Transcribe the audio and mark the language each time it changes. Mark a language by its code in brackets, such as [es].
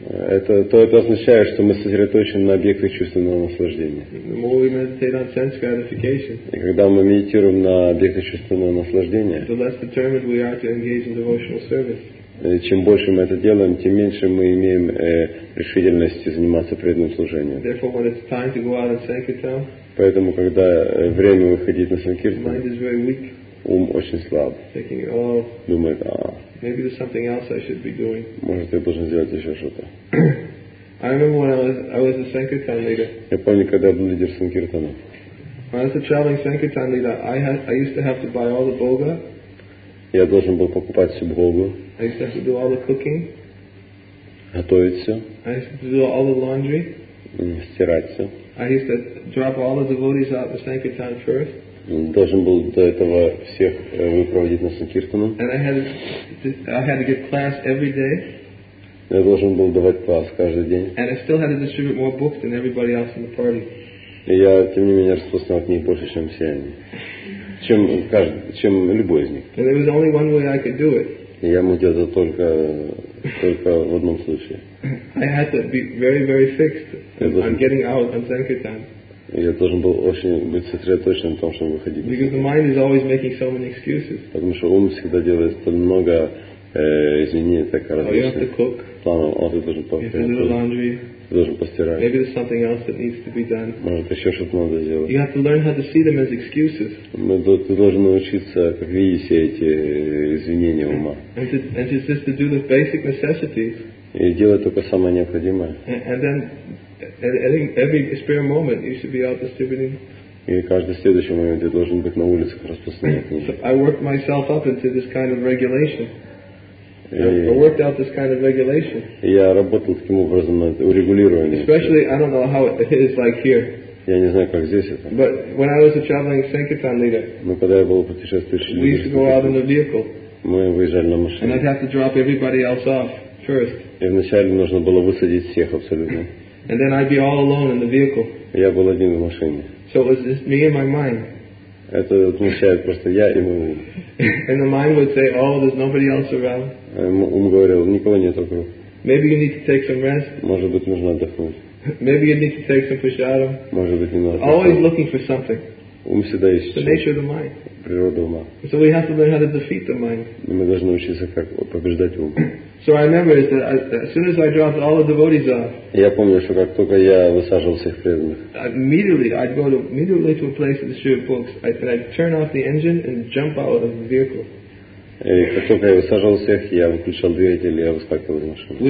[ru] Это означает, что мы сосредоточены на объектах чувственного наслаждения. [en] The more we meditate on sense gratification, [ru] и когда мы медитируем на объектах чувственного наслаждения, [en] the less determined we are to engage in devotional service. [ru] Чем больше мы это делаем, тем меньше мы имеем решительности заниматься преданным служением. [en] Therefore, when it's time to go out and sankirtan. [ru] Поэтому, когда время выходить на Санкиртан, ум очень слаб. [en] Thinking, oh, [ru] думает, [en] maybe there's something else I should be doing. [ru] Может, я должен сделать еще что-то. [en] I remember when I was a Sankirtan leader. [ru] Я помню, когда я был лидер Санкиртана. [en] When I was a traveling Sankirtan leader, I used to have to buy all the boga. [ru] Я должен был покупать всю богу. [en] I used to have to do all the cooking. [ru] Готовить все. [en] I used to do all the laundry. [ru] Стирать все. [en] I used to drop all the devotees out in Sankirtan first. [ru] Должен был до этого всех выпроводить на Санкиртану. [en] And I had to give class every day. [ru] Я должен был давать класс каждый день. [en] And I still had to distribute more books than everybody else in the party. [ru] И я тем не менее распространял книги больше, чем все они, чем любой из них. [en] And there was only one way I could do it. [ru] Я мог делать это только в одном случае. [en] I had to be very, very fixed on getting out on Sankirtan. [ru] Я должен был очень быть сосредоточен на том, чтобы выходить. [en] Because the mind is always making so many excuses. [ru] Потому что ум всегда делает так много извинений, так различных. [en] Oh, you have to cook. [ru] Планом, ты должен постирать. Должен постирать. [en] Maybe there's something else that needs to be done. [ru] Может, еще что-то надо сделать. [en] You have to learn how to see them as excuses. [ru] Ты должен научиться, как видеть все эти извинения ума. [en] And just to do the basic necessities. [ru] И делать только самое необходимое. [en] And then, at every spare moment, you should be out distributing. [ru] И каждый следующий момент я должен быть на улицах распространять книги. [en] So I worked myself up into this kind of regulation. I worked out this kind of regulation. [ru] Я работал таким образом над урегулированием. [en] Especially, I don't know how it is like here. [ru] Я не знаю, как здесь это. [en] But when I was a traveling sankirtan leader, [ru] мы когда я был путешествующим лидером, [en] we used to go out in a vehicle. [ru] Мы выезжали на машине. [en] And I'd have to drop everybody else off first. [ru] И вначале нужно было высадить всех абсолютно. [en] And then I'd be all alone in the vehicle. [ru] Я был один в машине. [en] So it was just me and my mind. [ru] Это означает просто я и мой ум. [en] And the mind would say, "Oh, there's nobody else around." [ru] Ум говорил, никого нет вокруг. [en] Maybe you need to take some rest. [ru] Может быть, нужно отдохнуть. [en] Maybe you need to take some prasadam. [ru] Может быть, не надо. [en] Always looking for something. [ru] Ум всегда ищет. [en] The nature of the mind. [ru] Природа ума. [en] So we have to learn how to defeat the mind. [ru] Мы должны учиться, как побеждать ум. [en] So I remember is that as soon as I dropped all the devotees off. [ru] Я помню, что как только я высаживал всех преданных. [en] Immediately, I'd go immediately to a place to distribute books. I'd turn off the engine and jump out of the vehicle. [ru] И как только я высаживал всех, я выключал двигатель, я выскакивал из машины.